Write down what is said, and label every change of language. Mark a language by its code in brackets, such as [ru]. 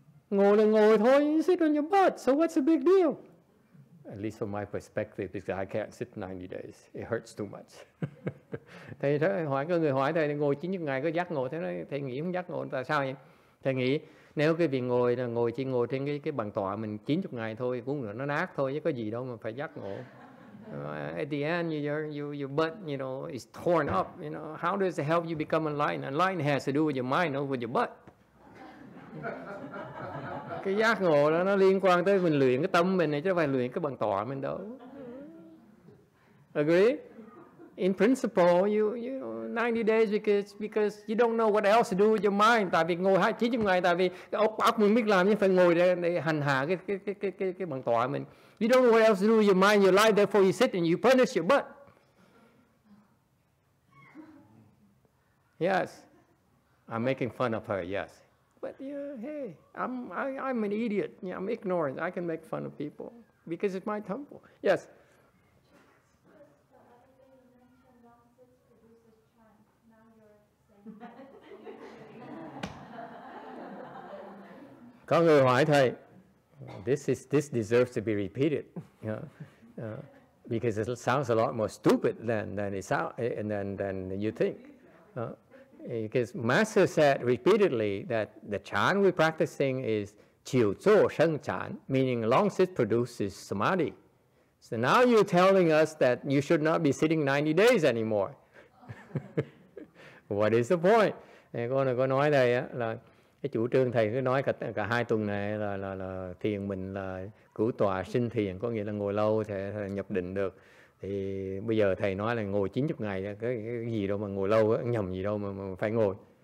[vi] Ngồi là ngồi thôi, [en] you sit on your butt. So what's the big deal? At least from my perspective, because I can't sit 90 days. It hurts too much. [vi] Thầy hỏi, có người hỏi thầy ngồi 90 ngày có giác ngộ. Thế nói, thầy nghĩ không giác ngộ, tại sao vậy? Thầy nghĩ, nếu cái việc ngồi là ngồi chỉ ngồi trên cái bàn tọa mình 90 ngày thôi, cũng là nó nát thôi, chứ có gì đâu mà phải giác ngộ. [en] At the end, your butt, you know, is torn up. You know, how does it help you become enlightened? Enlightenment has to do with your mind, not with your butt. [vi] Cái giác ngộ đó nó liên quan tới mình luyện cái tâm mình này, chứ phải luyện cái bằng tọa mình đâu. [en] Agree? In principle, you 90 days because you don't know what else to do with your mind. [vi] Tại vì ngồi 90 ngày, tại vì óc mình biết làm, nhưng phải ngồi để hành hạ cái bằng tọa mình. [en] You don't know what else to do with your mind, your life, therefore you sit and you punish your butt. Yes. I'm making fun of her, yes. But yeah, hey, I'm an idiot. Yeah, I'm ignorant. I can make fun of people because it's my temple. Yes. [vi] Có người hỏi thầy, [en] this deserves to be repeated, you know, because it sounds a lot more stupid than you think. Because Master said repeatedly that the chan we're practicing is qiu zuo sheng chan, meaning long sit produces samadhi. So now you're telling us that you should not be sitting 90 days anymore. What is the point? [vi] Có nói đây á, là cái chủ trương thầy cứ nói cả hai tuần này là thiền mình là cửu tọa sinh thiền, có nghĩa là ngồi lâu thì nhập định được. Thì bây giờ thầy nói là ngồi 90 ngày, cái gì đâu mà ngồi lâu, nhầm gì đâu mà phải ngồi.